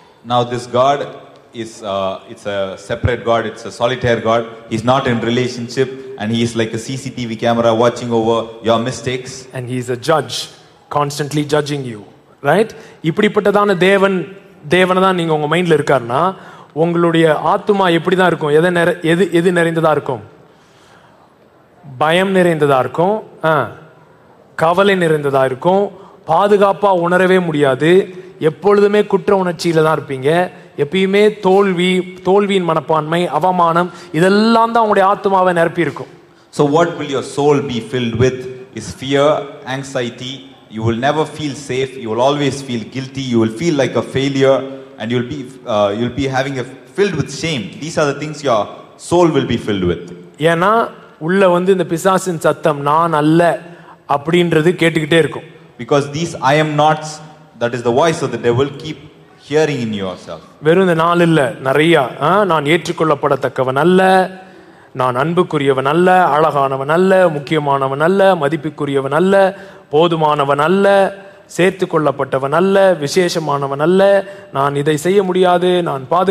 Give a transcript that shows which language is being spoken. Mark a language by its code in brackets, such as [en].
[en] Now this God is it's a separate God, it's a solitaire God, he's not in relationship and he is like a CCTV camera watching over your mistakes and he is a judge constantly judging you, right? [ta] இப்படிப்பட்டதான தேவனை தான் நீங்க உங்க மைண்ட்ல இருக்கறனா உங்களுடைய ஆத்மா எப்படி தான் இருக்கும், எது நிறைந்ததா இருக்கும்? பயம் நிறைந்ததா இருக்கும், கவலை நிறைந்ததா இருக்கும், பாதுகாப்பா உணரவே முடியாது, எப்பொழுதுமே குற்ற உணர்ச்சியில தான் இருப்பீங்க, எப்பயுமே தோல்வியின் மனப்பான்மை, அவமானம், இதெல்லாம் தான் உங்களுடைய ஆத்மாவை நிரப்பி இருக்கும். [en] So what will your soul be filled with is fear, anxiety. You will never feel safe, you will always feel guilty, you will feel like a failure and you'll be having a filled with shame. These are the things your soul will be filled with. [ta] ஏனா உள்ள வந்து இந்த பிசாசின் சத்தம் நான் அல்ல அப்படின்றது கேட்டுகிட்டே இருக்கும். [en] Because these I am nots, that is the voice of the devil, keep hearing in yourself. [ta] வெறும் இந்த நாள் இல்ல நிறைய, நான் ஏற்றுக்கொள்ளப்படத்தக்கவன் அல்ல, நான் அன்புக்குரியவன் அல்ல, அழகானவன் அல்ல, முக்கியமானவன் அல்ல, மதிப்புக்குரியவன் அல்ல, போதுமானவன் அல்ல, சேர்த்து கொள்ளப்பட்டவன் அல்ல, விசேஷமானவன் அல்ல, நான் இதை செய்ய முடியாது, நான்